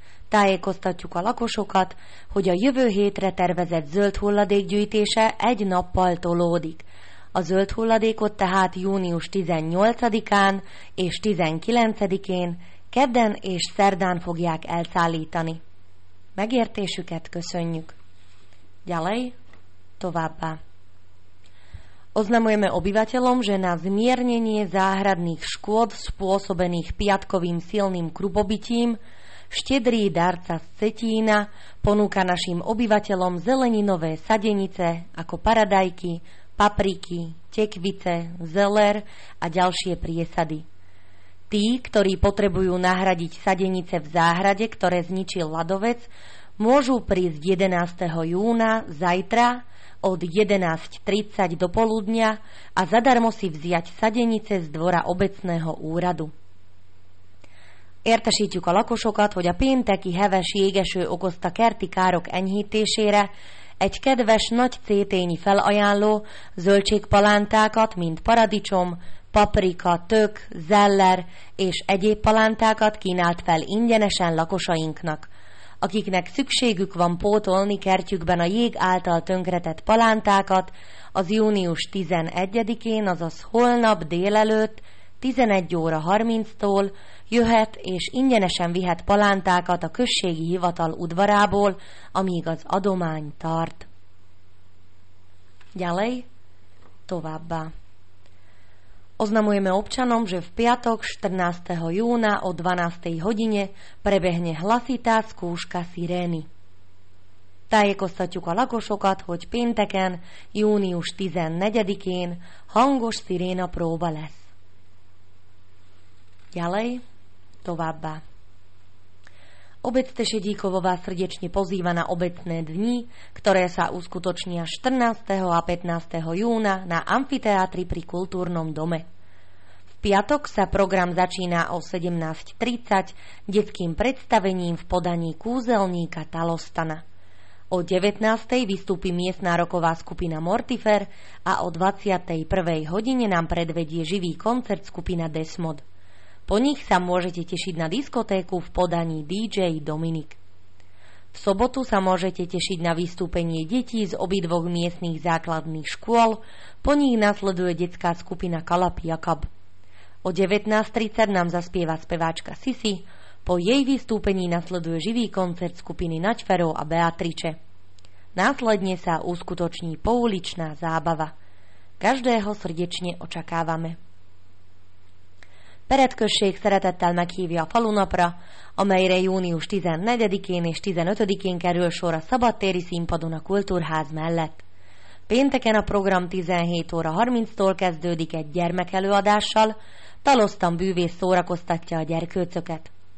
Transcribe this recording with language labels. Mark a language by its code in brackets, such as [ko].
[hu] Tá je kostatjuk a lakosokat, hogy a jövő hétre tervezett zöld hulladék gyűjtése egy nappal tolódik. A zöld hulladékot tehát június 18-án és 19-én, kedden és szerdán fogják elszállítani. Megértésüket köszönjük. [sk] Gyalej, [hu] továbbá. [sk] Oznamujeme obyvateľom, že na zmiernenie záhradných škôd spôsobených piatkovým silným krupobytím štedrý darca z Cetína ponúka našim obyvateľom zeleninové sadenice ako paradajky, papriky, tekvice, zeler a ďalšie priesady. Tí, ktorí potrebujú nahradiť sadenice v záhrade, ktoré zničil ľadovec, môžu prísť 11. júna zajtra od 11.30 do poludnia a zadarmo si vziať sadenice z dvora obecného úradu. [hu] Értesítjük a lakosokat, hogy a pénteki heves jégeső okozta kerti károk enyhítésére egy kedves nagy cétényi felajánló zöldségpalántákat, mint paradicsom, paprika, tök, zeller és egyéb palántákat kínált fel ingyenesen lakosainknak, akiknek szükségük van pótolni kertjükben a jég által tönkretett palántákat az június 11-én, azaz holnap délelőtt 11 óra 30-tól jöhet és ingyenesen vihet palántákat a községi hivatal udvarából, amíg az adomány tart. [sk] Ďalej, [hu] továbbá. [sk] Oznamujeme občanom, že v piatok 14. júna o 12. hodine prebehne hlasitá skúška sirény. [hu] Tájékoztatjuk a lakosokat, hogy pénteken, június 14-én hangos siréna próba lesz. [sk] Ďalej, [hu] továbbá. [sk] Obec Tešedíkovová srdečne pozýva na obecné dni, ktoré sa uskutočnia 14. a 15. júna na amfiteátri pri kultúrnom dome. V piatok sa program začína o 17.30 detským predstavením v podaní kúzelníka Talostana. O 19.00 vystúpi miestná roková skupina Mortifer a o 21.00 hodine nám predvedie živý koncert skupina Desmod. Po nich sa môžete tešiť na diskotéku v podaní DJ Dominik. V sobotu sa môžete tešiť na vystúpenie detí z obidvoch miestnych základných škôl, po nich nasleduje detská skupina Kalapiakab. O 19.30 nám zaspieva speváčka Sisi, po jej vystúpení nasleduje živý koncert skupiny Naťfero a Beatrice. Následne sa uskutoční pouličná zábava. Každého srdečne očakávame. [hu] Peretközség szeretettel meghívja a falunapra, amelyre június 14-én és 15-én kerül sor a szabadtéri színpadon a kultúrház mellett. Pénteken a program 17 óra 30-tól kezdődik egy gyermekelőadással, Talosztan bűvész szórakoztatja a gyerkőcöket.